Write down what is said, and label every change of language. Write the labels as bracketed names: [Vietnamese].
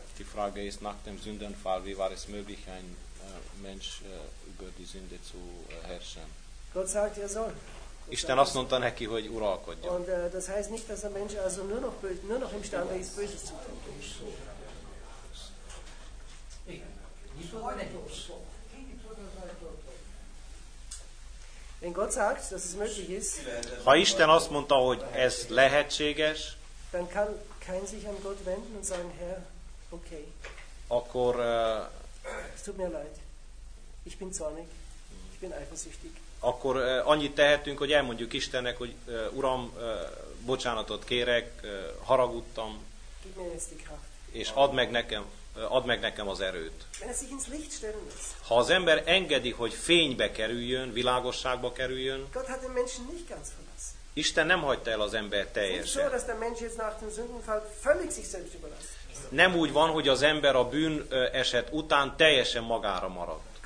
[German] Frage ist, nach dem Sündenfall, wie war es möglich, ein Mensch über die Sünde zu herrschen? Gott sagt, er soll. [Hungarian] Isten azt mondta neki, hogy uralkodjon. [German] Und das heißt nicht, dass ein Mensch also nur noch im Stande ist, Böses zu tun. Wenn Gott sagt, dass es möglich ist, [Hungarian] ha Isten azt mondta, hogy ez lehetséges, [German] dann kann kein sich an Gott wenden und sagen, Herr, okay. [Hungarian] Akkor [German] es tut mir leid. Ich bin zornig. Ich bin eifersüchtig. [Hungarian] Akkor annyit tehetünk, hogy elmondjuk Istennek, hogy Uram, bocsánatot kérek, haragudtam. [German] Gib mir jetzt die Kraft. [Hungarian] És add meg nekem az erőt. [German] Wenn er sich ins Licht stellen muss. [Hungarian] Ha az ember engedi, hogy fénybe kerüljön, világosságba kerüljön. [German] Gott hat den Menschen nicht ganz verlassen. [Hungarian] Isten nem hagyta el az ember teljesen. [German] Nicht so, dass der Mensch jetzt nach dem Sündenfall völlig sich selbst überlassen. [Hungarian] Nem úgy van, hogy az ember a bűn eset után teljesen magára maradt.